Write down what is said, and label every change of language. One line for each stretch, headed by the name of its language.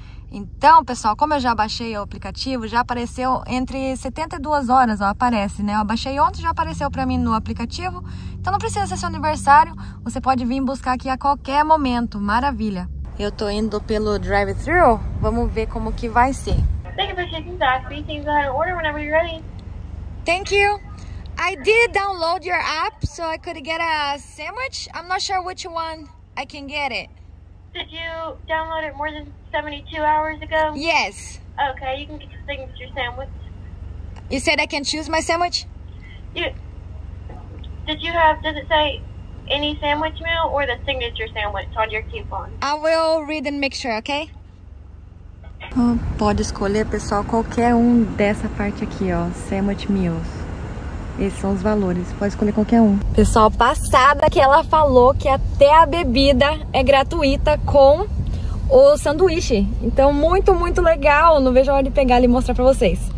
Portuguese: Então, pessoal, como eu já baixei o aplicativo, já apareceu entre 72 horas, ó, aparece, né? Eu baixei ontem, já apareceu para mim no aplicativo, então não precisa ser seu aniversário, você pode vir buscar aqui a qualquer momento, maravilha. Eu tô indo pelo drive-thru, vamos ver como que vai ser.
English: Thank you for Please order whenever you're ready. Thank you. I did download your app so I could get a sandwich. I'm not sure which one I can get it. Did you download it more than 72 hours ago? Yes. Okay, you can get your signature sandwich. You said I can choose my sandwich? Does it say any sandwich meal or the signature sandwich on your coupon? I will read and make sure, okay?
Portuguese: Pode escolher, pessoal, qualquer um dessa parte aqui, ó, sandwich meals. Esses são os valores, pode escolher qualquer um. Pessoal, passada que ela falou que até a bebida é gratuita com o sanduíche. Então, muito, muito legal, não vejo a hora de pegar ali e mostrar pra vocês.